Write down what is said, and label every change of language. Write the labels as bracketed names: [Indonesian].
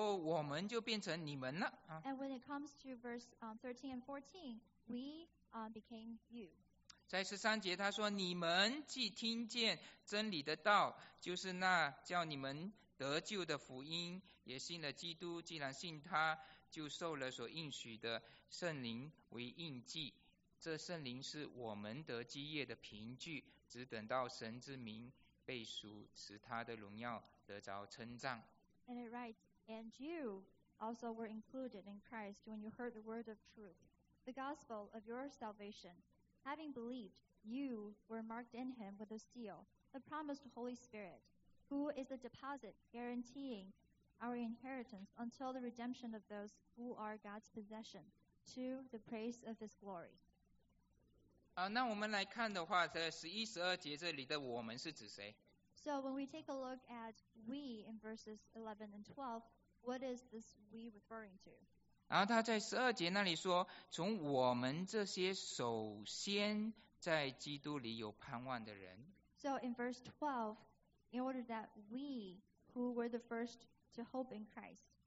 [Chinese] 来到13、14节的时候，我们就变成你们了。 [English] And when it comes to verse 13 and 14, we became you. [Chinese] 在13节他说，你们既听见真理的道，就是那叫你们得救的福音，也信了基督，既然信他，就受了所应许的圣灵为印记。这圣灵是我们得基业的凭据，只等到神之名被赎，使他的荣耀得着称赞。 [English] And it writes, and you also were included in Christ when you heard the word of truth. The gospel of your salvation. Having believed, you were marked in him with a seal, the promised Holy Spirit, who is the deposit guaranteeing our inheritance until the redemption of those who are God's possession, to the praise of his glory. [Chinese] 那我们来看的话, 11、12节这里的我们是指谁? [English] So when we take a look at we in verses 11 and 12, what is this we referring to? [Chinese] 然后他在12节那里说，从我们这些首先在基督里有盼望的人。 [English] So in verse 12, in order that we, who were the first to hope in Christ.